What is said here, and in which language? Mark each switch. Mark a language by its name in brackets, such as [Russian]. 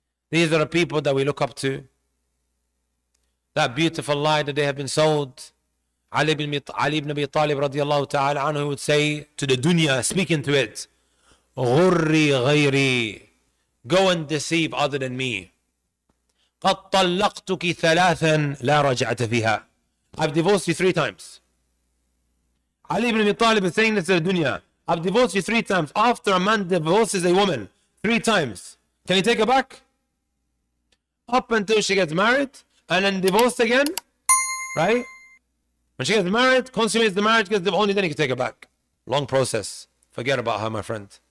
[English] These are the people that we look up to. That beautiful lie that they have been sold. Ali ibn Abi Talib radiallahu ta'ala anhu would say to the dunya, speaking to it, [Arabic] غُرِّي غَيْرِي, [English] go and deceive other than me. [Arabic] قَدْ طَلَّقْتُكِ ثَلَاثًا لَا رَجْعَتَ فِيهَا, [English] I've divorced you 3 times. Ali ibn Abi Talib is saying this to the dunya. I've divorced you 3 times. After a man divorces a woman 3 times, can he take her back? Up until she gets married and then divorced again, right? When she gets married, consummates the marriage, gets divorced, only then he can take her back. Long process. Forget about her, my friend.